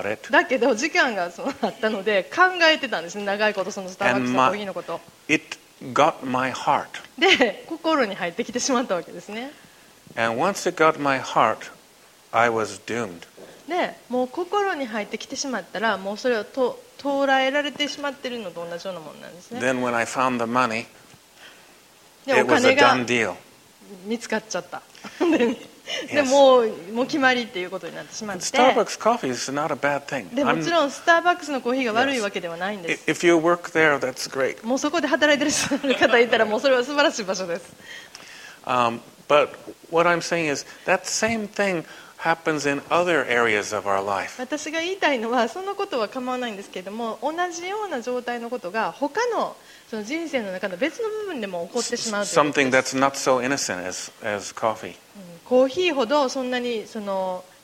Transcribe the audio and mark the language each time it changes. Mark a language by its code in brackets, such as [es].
[ja] だけど時間がそうあったので考えてたんですね、長いことそのスターバックスのコーヒーのこと。 [en] It got my heart. [ja] で、心に入ってきてしまったわけですね。 [en] And once it got my heart, I was doomed. [ja] で、もう心に入ってきてしまったら、もうそれを捉えられてしまっているのと同じようなものなんですね。 [en] Then when I found the money, it was a done deal. [ja] 見つかっちゃった。で、もう決まりっていうことになってしまって。 [en] Starbucks coffee is not a bad thing. [ja] でもちろんスターバックスのコーヒーが悪いわけではないんです。 [en] If you work there, that's great. [ja] もうそこで働いてる方いたらもうそれは素晴らしい場所です。 [en] But what I'm saying is that same thing. Happens in other areas of our life. [ja] 私が言いたいのはそのことは構わないんですけれども、同じような状態のことが他 の, その人生の中の別の部分でも起こってしまうということです。 [en] Something that's not so innocent as coffee. [ja] コーヒーほどそんなにその